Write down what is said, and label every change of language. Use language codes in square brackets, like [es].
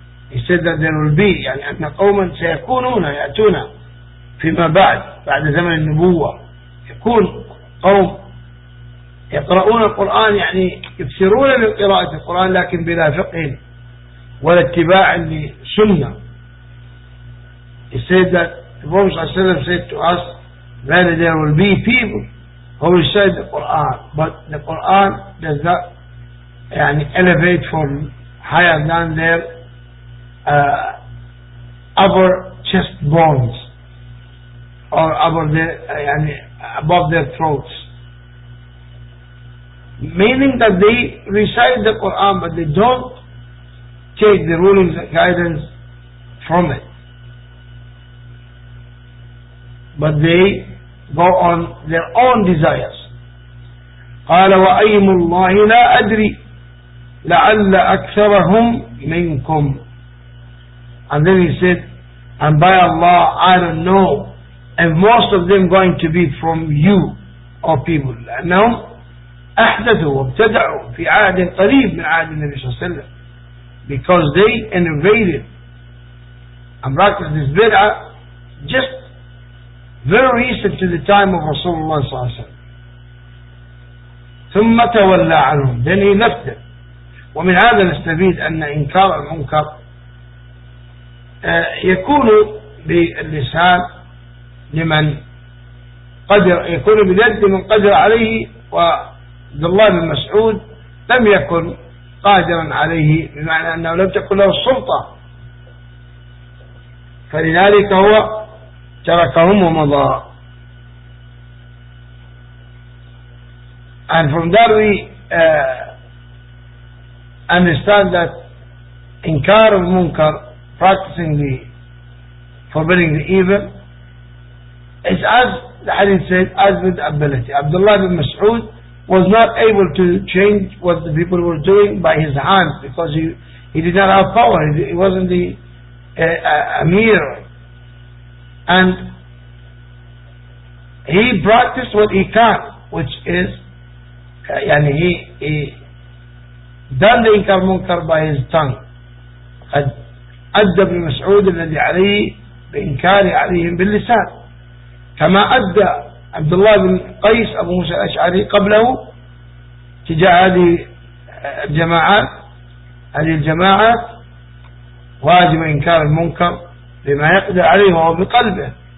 [en] He said that there will be, [ar] يعني أن قوما سيكونون يأتون فيما بعد, بعد زمن النبوة, يكون قوم يقرؤون القرآن, يعني يكثرون من قراءة القرآن لكن بلا فقه ولا اتباع لسنة. [en] He said that the Prophet ﷺ said to us that there will be people who will recite the Quran, but the Quran does not يعني elevate from higher than their upper chest bones or above their throats, meaning that they recite the Quran but they don't take the rulings and guidance from it, but they go on their own desires. [ar] قال وأيم الله لا أدري لعل أكثرهم منكم. [en] And then he said, and by Allah, I don't know, and most of them going to be from you, O people. [ar] لأنهم أحدثوا وابتدعوا في عهد قريب من عهد النبي صلى الله عليه وسلم. [en] Because they innovated and practiced this bid'ah just very recent to the time of Rasulullah [ar] صلى الله عليه وسلم. ثم تولى عنهم. [en] Then he left them. [ar] ومن هذا نستفيد أن إنكار المنكر يكون باللسان لمن قدر, يكون بيد من قدر عليه, وعبد الله بن مسعود لم يكن قادرا عليه, بمعنى أنه لم تكن له السلطة, فلذلك هو تركهم ومضى. [en] And from that we understand that إنكار المنكر, practicing the forbidding the evil, is as the hadith said, as with ability. Abdullah bin Mas'ud was not able to change what the people were doing by his hands, because he did not have power, he wasn't the Amir, and he practiced what he can, which is يعني he done the inkar munkar by his tongue. [ar] قد أدى ابن مسعود الذي عليه بإنكار عليهم باللسان كما أدى عبد الله بن قيس أبو موسى الأشعري قبله تجاه هذه الجماعات, هذه الجماعات واجب إنكار المنكر بما يقدر عليه وهو بقلبه.